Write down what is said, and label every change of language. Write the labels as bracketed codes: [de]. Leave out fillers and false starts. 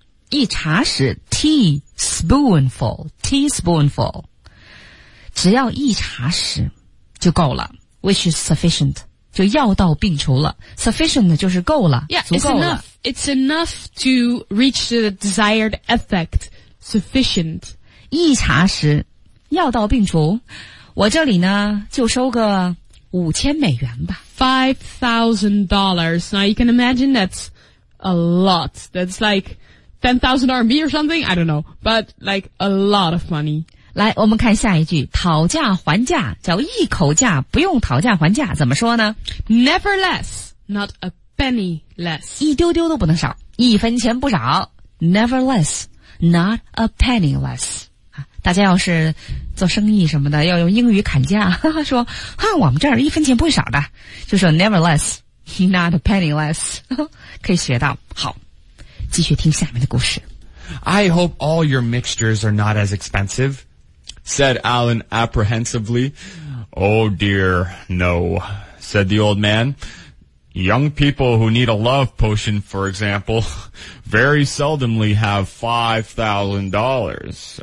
[zh] 一茶匙, teaspoonful, teaspoonful. 只要一茶匙。就够了, [en] which is sufficient, [zh] 就药到病除了, sufficient 就是够了, yeah, 足够了。 [en] It's enough to reach the desired effect, sufficient. [zh] 一茶匙, 药到病除, 我这里呢, 就收个 5,000美元吧。 [en] $5,000, now you can imagine that's a lot, that's like 10,000 RMB or something, I don't know, but like a lot of money. [zh] 来, 我们看下一句, 讨价还价, 叫一口价, 不用讨价还价, 怎么说呢? [en] Never less, not a penny less. [zh] 一丢丢都不能少, 一分钱不少, [en] never less, not a penny less. [zh] 大家要是做生意什么的, 要用英语砍价, 说, 啊, 我们这儿一分钱不会少的, 就说 [en] never less, not a penny less. [zh] 可以学到, 好, 继续听下面的故事。 [en] I hope all your mixtures are not as expensive. Said Alan apprehensively. Oh dear, no, said the old man. Young people who need a love potion, for example, very seldomly have $5,000.